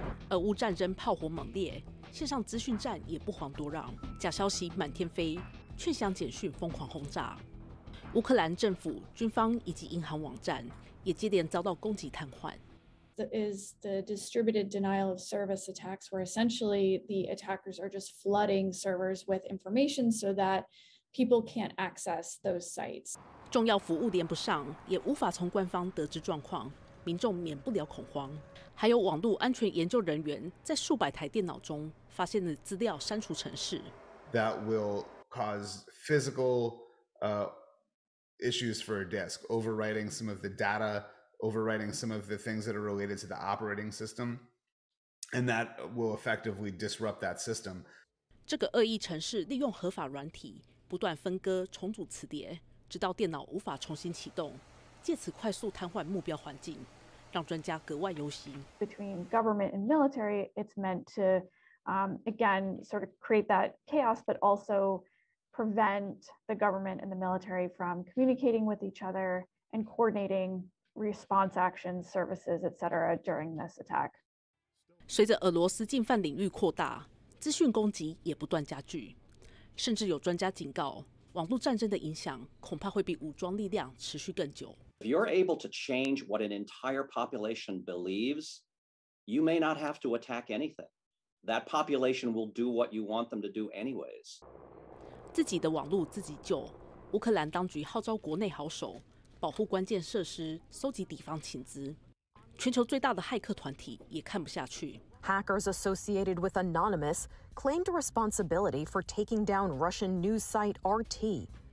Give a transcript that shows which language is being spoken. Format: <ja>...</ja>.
<zh>俄乌战争炮火猛烈，线上资讯战也不遑多让，假消息满天飞，劝降简讯疯狂轰炸。乌克兰政府、军方以及银行网站也接连遭到攻击瘫痪。</zh> <en>Is the distributed denial of service attacks, where essentially the attackers are just flooding servers with information so that people can't access those sites.</en> <zh>重要服务连不上，也无法从官方得知状况，民众免不了恐慌。还有网络安全研究人员在数百台电脑中发现的资料删除程式。</zh> <en>That will cause physical issues for a disk, overwriting some of the data. Overwriting some of the things that are related to the operating system, and that will effectively disrupt that system.</en> <zh>这个恶意程式利用合法软体不断分割重组磁碟，直到电脑无法重新启动，借此快速瘫痪目标环境，让专家格外忧心。</zh> <en>Between government and military, it's meant to, again, sort of create that chaos, but also prevent the government and the military from communicating with each other and coordinating. Response actions, services, etc. during this attack.</en> <zh>随着俄罗斯进犯领域扩大，资讯攻击也不断加剧。甚至有专家警告，网络战争的影响恐怕会比武装力量持续更久。</zh> <en>If you're able to change what an entire population believes, you may not have to attack anything. That population will do what you want them to do anyways.</en> <zh>自己的网络自己救。乌克兰当局号召国内好手。保护关键设施，搜集敌方情资。全球最大的骇客团体也看不下去。</zh> <en>Hackers associated with Anonymous claimed responsibility for taking down Russian news site RT.</en>